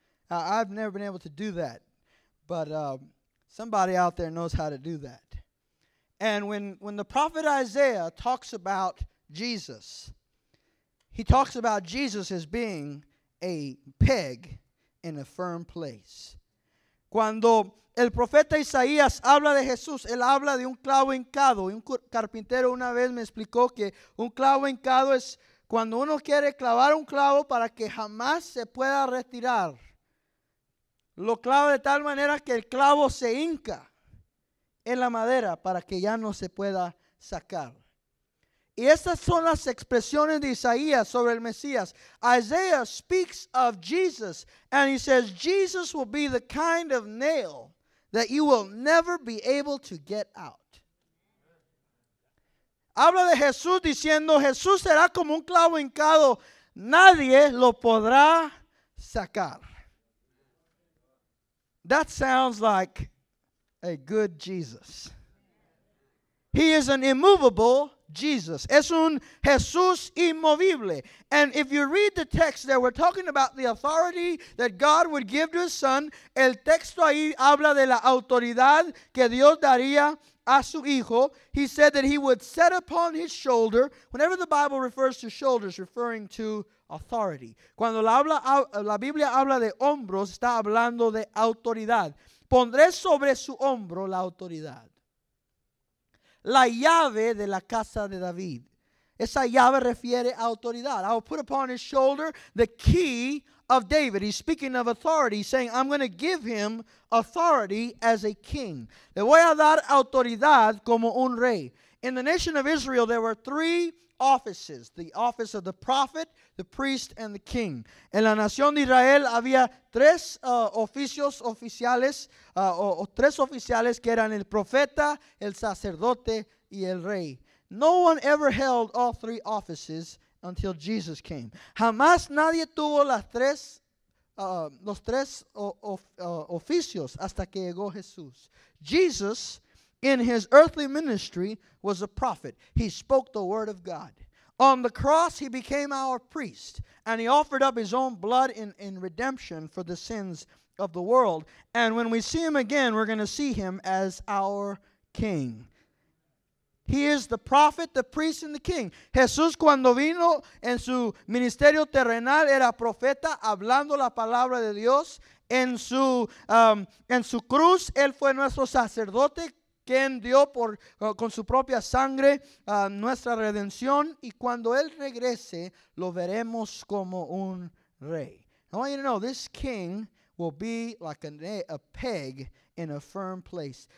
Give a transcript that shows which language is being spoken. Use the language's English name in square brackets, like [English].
[English] I've never been able to do that, but somebody out there knows how to do that. And when the prophet Isaiah talks about Jesus, he talks about Jesus as being a peg in a firm place. [Spanish] Cuando el profeta Isaías habla de Jesús, él habla de un clavo hincado. Un carpintero una vez me explicó que un clavo hincado es cuando uno quiere clavar un clavo para que jamás se pueda retirar. Lo clava de tal manera que el clavo se hinca en la madera para que ya no se pueda sacar. Y estas son las expresiones de Isaías sobre el Mesías. [English] Isaiah speaks of Jesus and he says, Jesus will be the kind of nail that you will never be able to get out. [Spanish] Habla de Jesús diciendo, Jesús será como un clavo hincado. Nadie lo podrá sacar. [English] That sounds like a good Jesus. He is an immovable Jesus. Es un Jesús inmovible. And if you read the text there, we're talking about the authority that God would give to his son. [Spanish] El texto ahí habla de la autoridad que Dios daría a su hijo. [English] He said that he would set upon his shoulder. Whenever the Bible refers to shoulders, referring to authority. [Spanish] Cuando la Biblia habla de hombros, está hablando de autoridad. Pondré sobre su hombro la autoridad. La llave de la casa de David. [English] Esa llave refiere a autoridad. I will put upon his shoulder the key of David. He's speaking of authority, saying, I'm going to give him authority as a king. [Spanish] Le voy a dar autoridad como un rey. [English] In the nation of Israel, there were three offices. The office of the prophet, the priest, and the king. [Spanish] En la nación de Israel había tres oficios oficiales, o tres oficiales que eran el profeta, el sacerdote, y el rey. [English] No one ever held all three offices until Jesus came. [Spanish] Jamás nadie tuvo los tres oficios hasta que llegó Jesús. [English] Jesus, in his earthly ministry, was a prophet. He spoke the word of God. On the cross, he became our priest, and he offered up his own blood in redemption for the sins of the world. And when we see him again, we're going to see him as our king. He is the prophet, the priest, and the king. [Spanish] Jesús, cuando vino en su ministerio terrenal, era profeta, hablando la palabra de Dios. En su cruz, él fue nuestro sacerdote, quien dio con su propia sangre nuestra redención, y cuando él regrese, lo veremos como un rey. [English] I want you to know, this king will be like a peg in a firm place.